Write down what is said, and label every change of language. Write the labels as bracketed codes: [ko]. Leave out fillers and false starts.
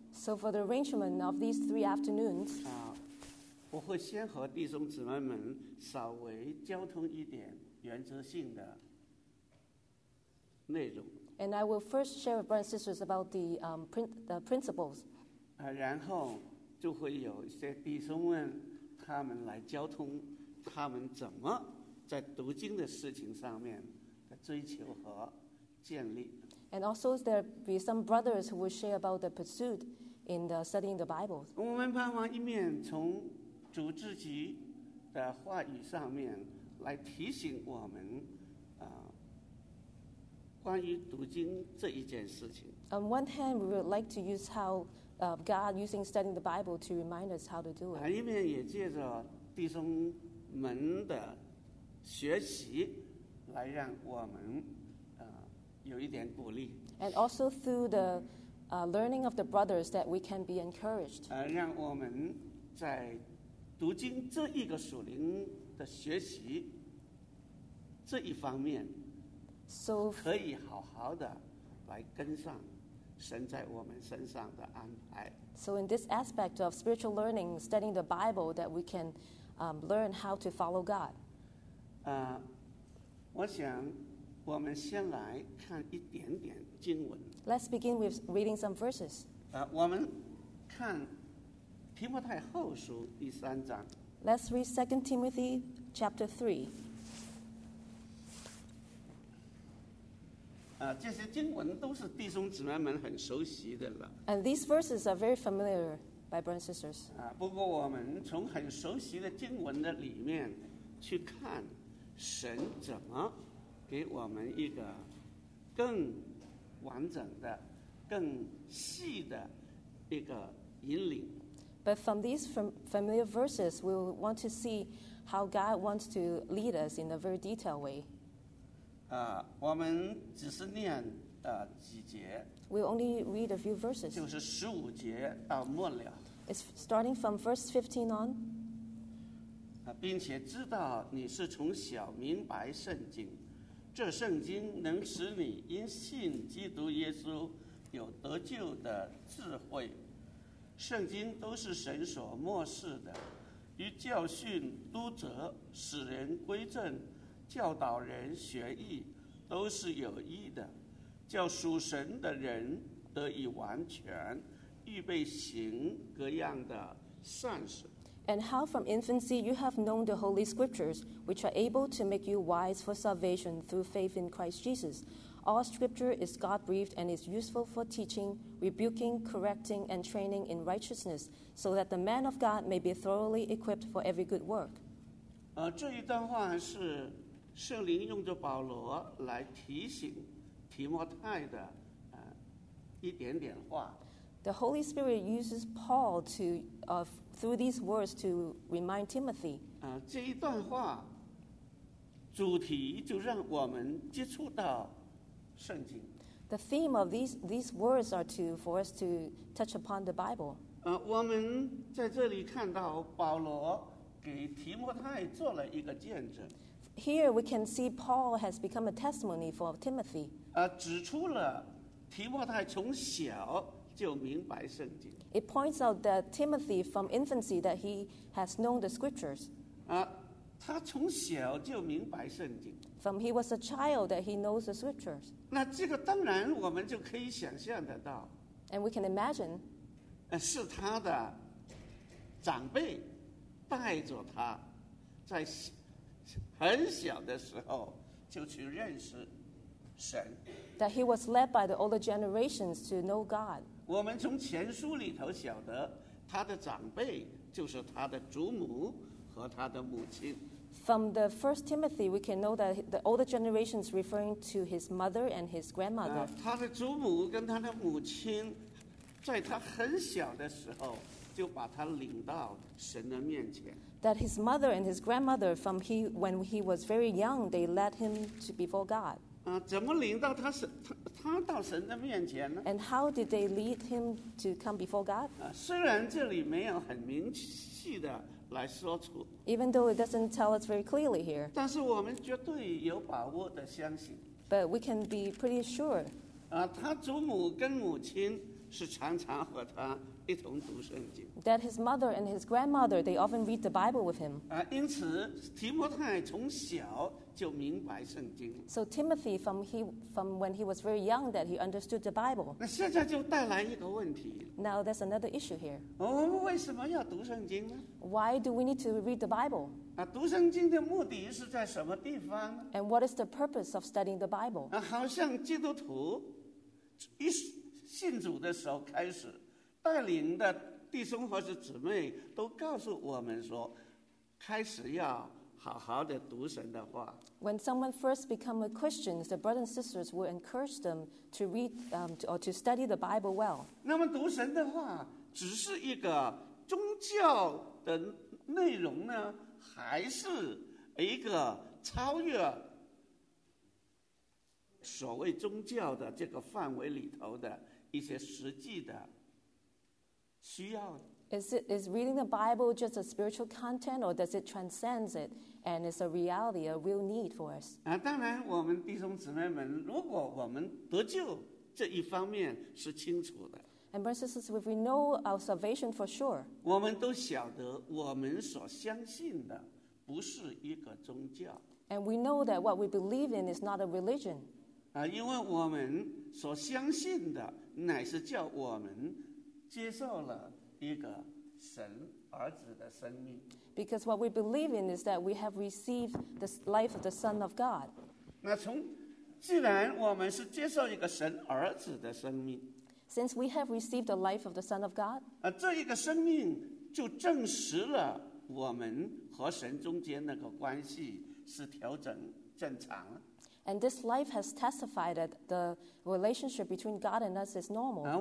[en] So for the arrangement of these three afternoons. [zh] 我会先和弟兄姊妹们稍微交通一点原则性的内容。 [en] And I will first share with brothers and sisters about the principles. [zh] 然后就会有一些弟兄们他们来交通他们怎么在读经的事情上面的追求和建立。 [en] And also there be some brothers who will share about the pursuit in the studying the Bible. [zh] 我们盼望一面从主自己的话语上面来提醒我们关于读经这一件事情。 [en] On one hand, we would like to use howGod using studying the Bible to remind us how to do it. [zh] 一面也借着弟兄们的学习来让我们有一点鼓励。 [en] And also through the learning of the brothers that we can be encouraged. [zh] 让我们在读经这一个属灵的学习这一方面可以好好的来跟上。神在我们身上的安排。 [en] So in this aspect of spiritual learning, studying the Bible, that we can learn how to follow God. [zh] 我想我们先来看一点点经文。 [en] Let's begin with reading some verses. [zh] 我们看提摩太后书第三章。 [en] Let's read 2 Timothy chapter 3. [zh] 这些经文都是弟兄姊妹们很熟悉的了。 [en] And these verses are very familiar by brothers and sisters. [zh] 不过我们从很熟悉的经文的里面去看神怎么给我们一个更完整的、更细的一个引领。 [en] But from these familiar verses, we will want to see how God wants to lead us in a very detailed way. [zh] 我们只是念几节。 [en] We only read a few verses. [zh] 就是十五节到末了。 [en] It's starting from verse 15 on. [zh] 并且知道你是从小明白圣经，这圣经能使你因信基督耶稣有得救的智慧。圣经都是神所默示的，与教训、督责、使人归正。教导人学义都是有益的，叫属神的人得以完全，预备行各样的善事。 [en] And how from infancy you have known the holy scriptures, which are able to make you wise for salvation through faith in Christ Jesus. All scripture is God-breathed and is useful for teaching, rebuking, correcting, and training in righteousness, so that the man of God may be thoroughly equipped for every good work. [zh] 这一段话是圣灵用着保罗来提醒提摩太的一点点话。 [en] The Holy Spirit uses Paul to, through these words to remind Timothy. [zh] 这一段话主题就让我们接触到圣经。 [en] The theme of these words are to for us to touch upon the Bible. [zh] 我们在这里看到保罗给提摩太做了一个见证。 [en] Here we can see Paul has become a testimony for Timothy. [zh] 指出了提摩太从小就明白圣经。 [en] It points out that Timothy from infancy that he has known the scriptures. [zh] 他从小就明白圣经。 [en] From he was a child that he knows the scriptures. [zh] 那这个当然我们就可以想象得到。 [en] And we can imagine. [zh] 是他的长辈带着他在很小的时候就去认识神。 [en] That he was led by the older generations to know God. [zh] 我们从前书里头晓得他的长辈就是他的祖母。和他的母亲。 [en] From the first Timothy, we can know that the older generations referring to his mother and his grandmother. [zh] 他的祖母跟他的母亲，在他很小的时候就把他领到神的面前。 [en] That his mother and his grandmother, from he when he was very young, they led him to before God. [zh] 怎么领到他到神的面前呢 [en] ？And how did they lead him to come before God? [zh] 虽然这里没有很明细的。来说出 [en] Even though it doesn't tell us very clearly here. [zh] 但是我们绝对有把握地相信。 [en] But we can be pretty sure. [zh] 他祖母跟母亲是常常和他一同读圣经。 [en] That his mother and his grandmother, they often read the Bible with him. [zh] 因此提摩太从小就明白圣经。 [en] So Timothy, from when he was very young, that he understood the Bible. [zh] 那现在就带来一个问题。 [en] Now there's another issue here. [zh] 我们为什么要读圣经呢？ [en] Why do we need to read the Bible? [zh] 读圣经的目的是在什么地方呢？ [en] And what is the purpose of studying the Bible? [zh] 好像基督徒一信主的时候开始，带领的弟兄或是姊妹都告诉我们说，开始要好好的读神的话。 [en] When someone first become a Christian, the brothers and sisters will encourage them to read, or to study the Bible well. [zh] 那么读神的话只是一个宗教的内容呢，还是一个超越所谓宗教的这个范围里头的一些实际的需要？ [en] Is reading the Bible just a spiritual content, or does it transcend it, and is a reality, a real need for us? [zh] 当然我们弟兄姊妹们，如果我们得救这一方面是清楚的。 [en] And brothers and sisters, if we know our salvation for sure, [zh] 我们都晓得我们所相信的不是一个宗教。 [en] And we know that what we believe in is not a religion. [zh] 因为我们所相信的乃是叫我们接受了一个神儿子的生命。 [en] Because what we believe in is that we have received the life of the Son of God. [zh] 那从既然我们是接受一个神儿子的生命。 [en] Since we have received the life of the Son of God. [zh] 这一个生命就证实了我们和神中间那个关系是调整正常了。 [en] And this life has testified that the relationship between God and us is normal.